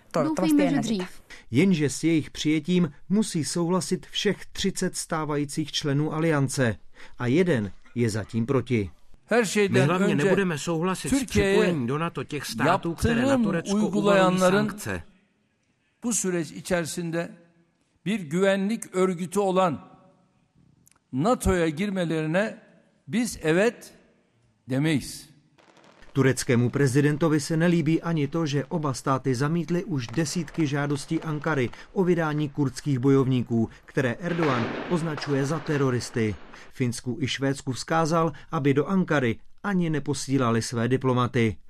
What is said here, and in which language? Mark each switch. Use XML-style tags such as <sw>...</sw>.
<cs>Doufejme, že dřív. Jenže s jejich přijetím musí souhlasit všech 30 stávajících členů aliance. A jeden je zatím proti. My hlavně nebudeme souhlasit s připojením do NATO těch států, které na Turecku uvalují sankce.</cs> <tr>Bu süreç içerisinde bir güvenlik örgütü olan NATO'ya girmelerine biz evet demeyiz.</tr> <cs>Tureckému prezidentovi se nelíbí ani to, že oba státy zamítly už desítky žádostí Ankary o vydání kurdských bojovníků, které Erdogan označuje za teroristy. Finsku i Švédsku vzkázal, aby do Ankary ani neposílali své diplomaty.</cs>